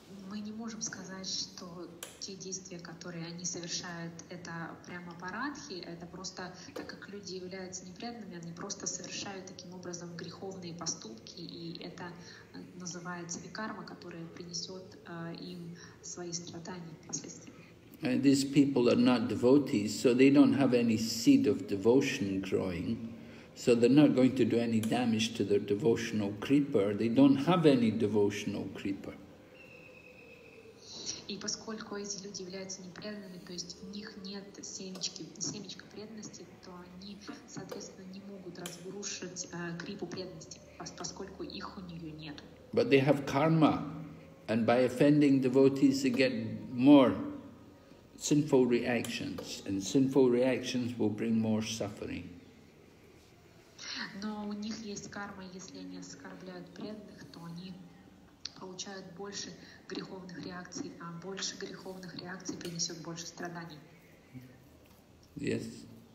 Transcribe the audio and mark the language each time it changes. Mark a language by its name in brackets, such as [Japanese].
[Russian] Мы не можем сказать, что те действия, которые они совершают, это прямо парадхи, это просто, так как люди являются непреданными, они просто совершают таким образом греховные поступки, и это называется викарма, которая принесет им свои страдания впоследствии. [English] And these people are not devotees, so they don't have any seed of devotion growing, so they're not going to do any damage to their devotional creeper. They don't have any devotional creeper. [Russian] И поскольку эти люди являются непреданными, то есть у них нет семечка преданности, то они, соответственно, не могут разрушить крипу преданности, поскольку их у нее нет. [English] But they have karma, and by offending devotees, they get more sinful reactions, and sinful reactions will bring more suffering. [Russian] Но у них есть карма, если они оскорбляют преданных, то они получают больше греховных реакций, а больше греховных реакций принесет больше страданий. [English] Yes.